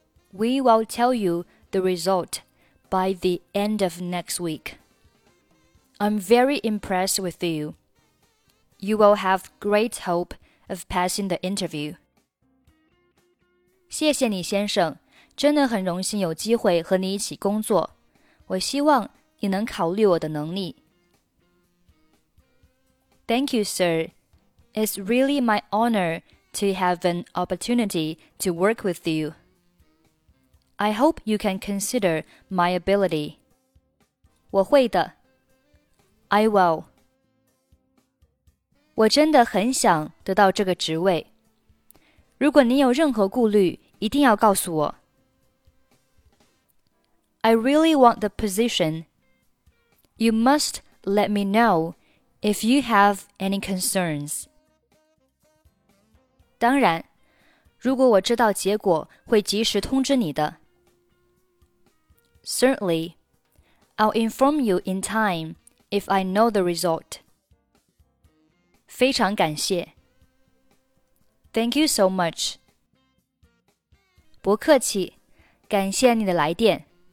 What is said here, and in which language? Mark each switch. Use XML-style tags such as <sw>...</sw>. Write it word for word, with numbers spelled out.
<en>We will tell you the result by the end of next week. I'm very impressed with you. You will have great hope of passing the interview.</en> <zh>谢谢你，先生，真的很荣幸有机会和你一起工作。我希望你能考虑我的能力。</zh> <en>Thank you, sir. It's really my honor to have an opportunity to work with you. I hope you can consider my ability.</en> <zh>我会的。</zh> <en>I will.</en> <zh>我真的很想得到这个职位。如果你有任何顾虑，一定要告诉我。</zh> <en>I really want the position. You must let me know if you have any concerns.</en> <zh>当然，如果我知道结果，会及时通知你的。</zh> <en>Certainly, I'll inform you in time if I know the result.</en> <zh>非常感谢。</zh> <en>Thank you so much.</en> <zh>不客气，感谢你的来电。</zh>